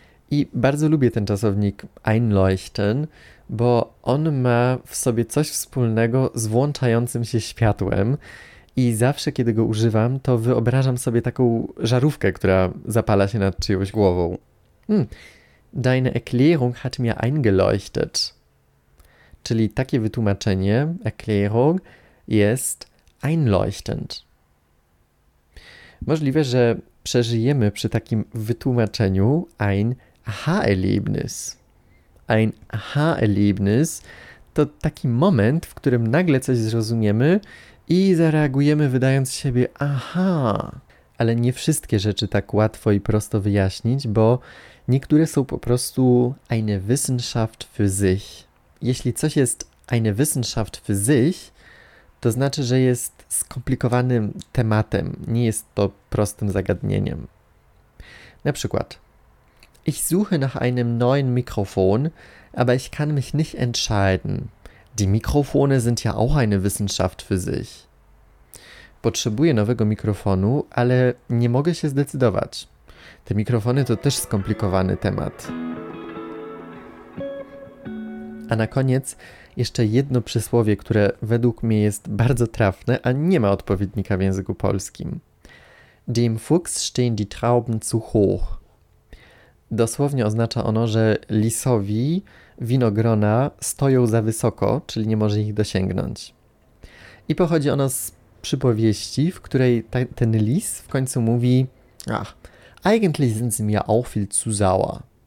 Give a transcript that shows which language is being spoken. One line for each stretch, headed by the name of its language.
Polish: I bardzo lubię ten czasownik einleuchten, bo on ma w sobie coś wspólnego z włączającym się światłem i zawsze, kiedy go używam, to wyobrażam sobie taką żarówkę, która zapala się nad czyjąś głową.
German: Deine Erklärung hat mir eingeleuchtet.
Polish: Czyli takie wytłumaczenie, Erklärung, jest einleuchtend. Możliwe, że przeżyjemy przy takim wytłumaczeniu ein Aha-Erlebnis. Ein Aha-Erlebnis to taki moment, w którym nagle coś zrozumiemy i zareagujemy wydając z siebie aha. Ale nie wszystkie rzeczy tak łatwo i prosto wyjaśnić, bo Niektóre są po prostu
German: eine Wissenschaft für sich.
Polish: Jeśli coś jest
German: eine Wissenschaft für sich,
Polish: to znaczy, że jest skomplikowanym tematem, nie jest to prostym zagadnieniem. Na przykład,
German: ich suche nach einem neuen Mikrofon, aber ich kann mich nicht entscheiden. Die Mikrofone sind ja auch eine Wissenschaft für sich.
Polish: Potrzebuję nowego mikrofonu, ale nie mogę się zdecydować. Te mikrofony to też skomplikowany temat. A na koniec jeszcze jedno przysłowie, które według mnie jest bardzo trafne, a nie ma odpowiednika w języku polskim.
German: Dem Fuchs stehen die Trauben zu hoch.
Polish: Dosłownie oznacza ono, że lisowi winogrona stoją za wysoko, czyli nie może ich dosięgnąć. I pochodzi ono z przypowieści, w której ten lis w końcu mówi:
German: Ach, eigentlich sind sie mir auch viel zu sauer.